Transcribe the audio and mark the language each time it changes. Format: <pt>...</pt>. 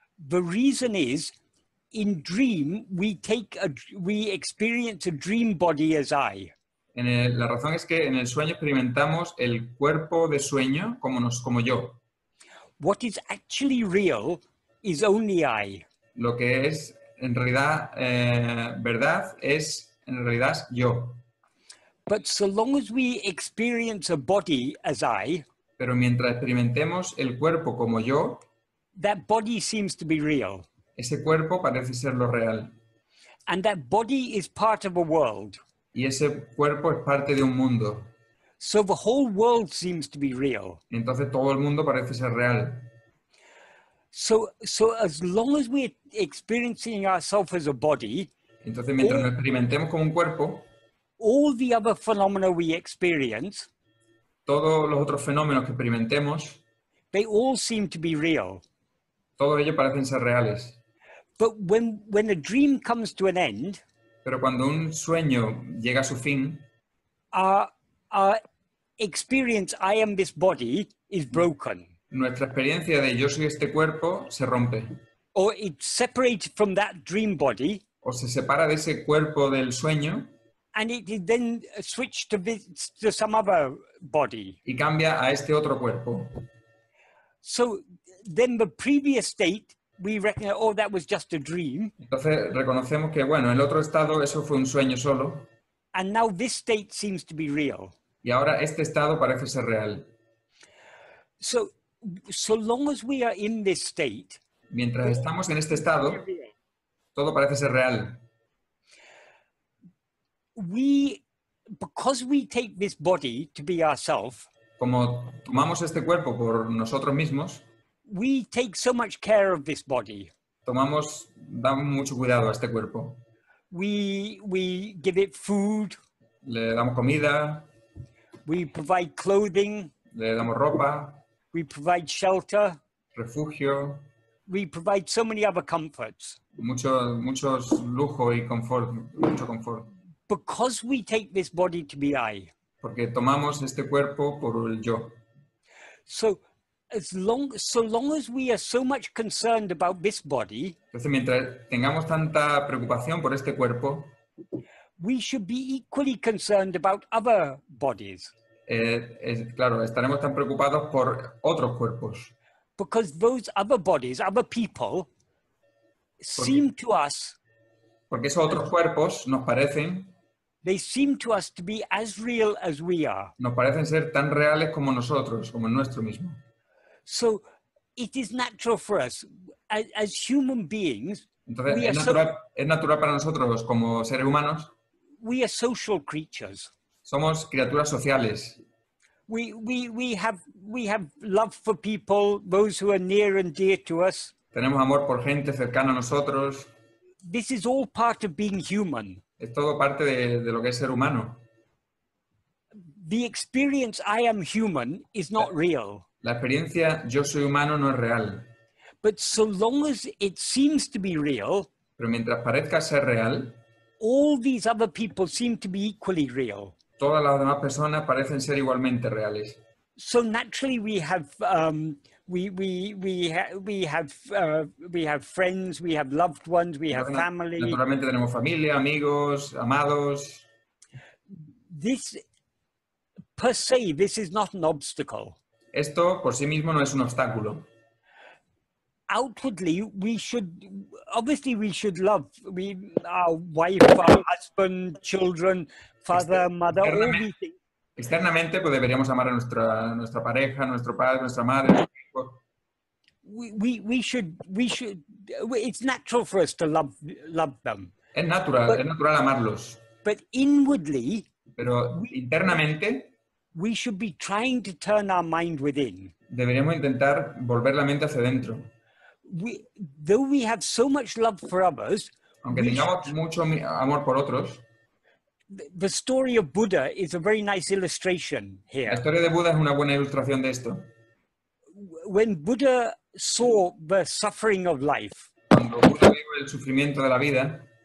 <en>The reason is, in dream we experience a dream body as I.</en> <es>La razón es que en el sueño experimentamos el cuerpo de sueño como yo.</es> <en>What is actually real is only I.</en> <es>Lo que es en realidad verdad es en realidad yo.</es> <en>But so long as we experience a body as I,</en> <es>pero mientras experimentemos el cuerpo como yo,</es> <en>that body seems to be real.</en> <es>Ese cuerpo parece ser lo real.</es> <en>And that body is part of a world.</en> <es>Y ese cuerpo es parte de un mundo.</es> <en>So the whole world seems to be real.</en> <es>Entonces todo el mundo parece ser real.</es> <en>So as long as we're experiencing ourselves as a body,</en> <es>entonces mientras nos experimentemos como un cuerpo,</es> <en>all the other phenomena we experience,</en> <es>todos los otros fenómenos que experimentemos,</es> <en>they all seem to be real.</en> <es>Todos ellos parecen ser reales.</es> <en>But when a dream comes to an end,</en> <es>pero cuando un sueño llega a su fin,</es> <en>our experience, I am this body, is broken.</en> <es>Nuestra experiencia de yo soy este cuerpo se rompe.</es> <en>Or it separates from that dream body.</en> <es>O se separa de ese cuerpo del sueño.</es> <en>And it then switched to some other body.</en> <es>Y cambia a este otro cuerpo.</es> <en>So then the previous state, we recognize, oh, that was just a dream.</en> <es>Entonces reconocemos que, bueno, el otro estado, eso fue un sueño solo.</es> <en>And now this state seems to be real.</en> <es>Y ahora este estado parece ser real.</es> <en>So long as we are in this state,</en> <es>mientras estamos en este estado, todo parece ser real.</es> <en>Because we take this body to be ourselves,</en> <es>como tomamos este cuerpo por nosotros mismos,</es> <en>we take so much care of this body.</en> <es>Damos mucho cuidado a este cuerpo.</es> <en>We give it food.</en> <es>Le damos comida.</es> <en>We provide clothing.</en> <es>Le damos ropa.</es> <en>We provide shelter.</en> <es>Refugio.</es> <en>We provide so many other comforts.</en> <es>Muchos lujo y confort, mucho confort.</es> <en>Because we take this body to be I.</en> <es>Porque tomamos este cuerpo por el yo.</es> <en>So long as we are so much concerned about this body,</en> <es>entonces, mientras tengamos tanta preocupación por este cuerpo,</es> <en>we should be equally concerned about other bodies.</en> <es>Claro, estaremos tan preocupados por otros cuerpos.</es> <en>Because those other bodies, other people, seem to us.</en> <es>Porque esos otros cuerpos nos parecen.</es> <en>They seem to us to be as real as we are.</en> <es>Nos parecen ser tan reales como nosotros, como nuestro mismo.</es> <en>So it is natural for us, as human beings.</en> <es>Entonces, es natural para nosotros como seres humanos.</es> <en>We are social creatures.</en> <es>Somos criaturas sociales.</es> <en>We have love for people, those who are near and dear to us.</en> <es>Tenemos amor por gente cercana a nosotros.</es> <en>This is all part of being human.</en> <es>Es todo parte de lo que es ser humano.</es> <en>The experience I am human is not real.</en> <es>La experiencia yo soy humano no es real.</es> <en>But so long as it seems to be real,</en> <es>pero mientras parezca ser real,</es> <en>all these other people seem to be equally real.</en> <es>Todas las demás personas parecen ser igualmente reales.</es> <en>So naturally we have we have friends, we have loved ones, we have family.</en> <es>Naturalmente tenemos familia, amigos, amados.</es> <en>This per se, this is not an obstacle.</en> <es>Esto por sí mismo no es un obstáculo.</es> <en>Outwardly, we should love our wife, our husband, children, father, mother, all these things.</en> <es>Externamente, pues deberíamos amar a nuestra pareja, nuestro padre, nuestra madre.</es> <en>We should it's natural for us to love them.</en> <es>Es natural amarlos.</es> <en>But inwardly,</en> <es>pero internamente,</es> <en>we should be trying to turn our mind within.</en> <es>Deberíamos intentar volver la mente hacia dentro.</es> <en>Though we have so much love for others,</en> <es>aunque tengamos mucho amor por otros,</es> <en>the story of Buddha is a very nice illustration here.</en> <es>La historia de Buda es una buena ilustración de esto.</es> <en>When Buddha saw the suffering of life,</en> <es>cuando Buda vio el sufrimiento de la vida,</es>